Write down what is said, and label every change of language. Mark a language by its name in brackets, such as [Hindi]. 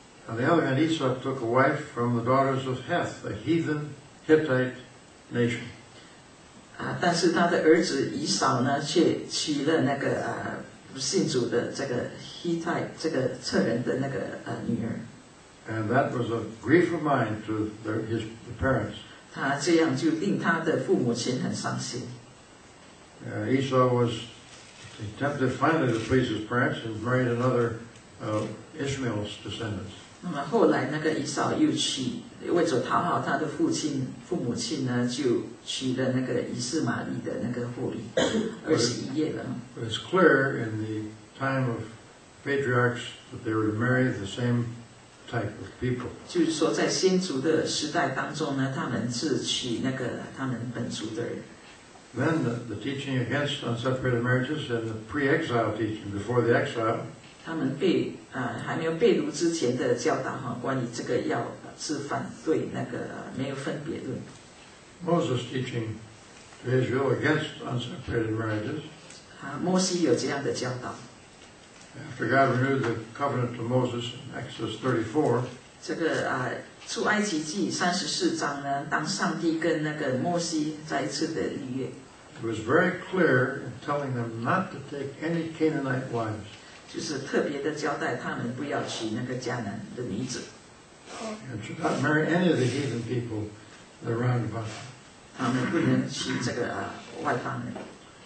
[English] On the other hand, Esau took a wife from the daughters of Heth, a heathen Hittite nation. [Chinese] 但是他的儿子以扫呢，却娶了那个不信主的这个 Hittite 这个侧人的那个女儿。 [English] And that was a grief of mind to the parents. [Chinese] 他这样就令他的父母亲很伤心。 [English] Esau was tempted finally to please his parents and married another Ishmael's descendants. [Chinese] 那么后来，那个以扫又娶，为着讨好他的父亲、父母亲呢，就娶了那个以实玛利的那个妇女，二十一夜了。 [English] It's clear in the time of patriarchs that they were to marry the same type of people. [Chinese] 就是说，在先祖的时代当中呢，他们是娶那个他们本族的人。 [English] Then the teaching against unseparated marriages and the pre-exile teaching before the exile. [Chinese] 他们被还没有被掳之前的教导哈，关于这个要是反对那个没有分别论。 [English] Moses teaching to Israel against unseparated marriages. [Chinese] 摩西有这样的教导。 [English] After God renewed the covenant to Moses, Exodus 34. [Chinese] 这个出埃及记三十四章呢，当上帝跟那个摩西再一次的立约。 [English] It was very clear in telling them not to take any Canaanite wives. [Chinese] 就是特别的交代他们不要娶那个迦南的女子。 [English] And should not marry any of the heathen people that are round about. [Chinese] 他们不能娶这个外邦人。